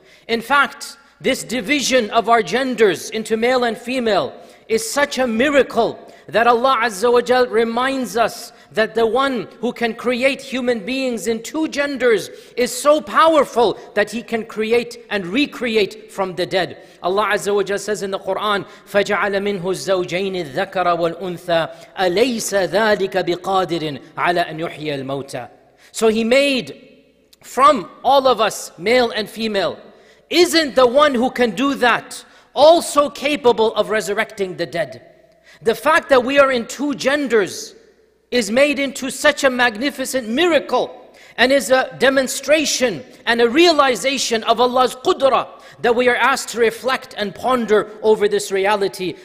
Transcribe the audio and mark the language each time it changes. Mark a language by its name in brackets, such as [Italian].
[English] In fact, this division of our genders into male and female is such a miracle that Allah Azza wa Jal reminds us that the one who can create human beings in two genders is so powerful that he can create and recreate from the dead. Allah Azza wa Jal says in the Quran, [Arabic] فَجَعَلَ مِنْهُ الزَّوْجَيْنِ الذَّكَرَ وَالْأُنْثَى أَلَيْسَ ذَٰلِكَ بِقَادِرٍ عَلَىٰ أَنْ يُحْيَى الْمَوْتَى. [English] So he made from all of us, male and female, isn't the one who can do that also capable of resurrecting the dead? The fact that we are in two genders is made into such a magnificent miracle and is a demonstration and a realization of Allah's qudra that we are asked to reflect and ponder over this reality.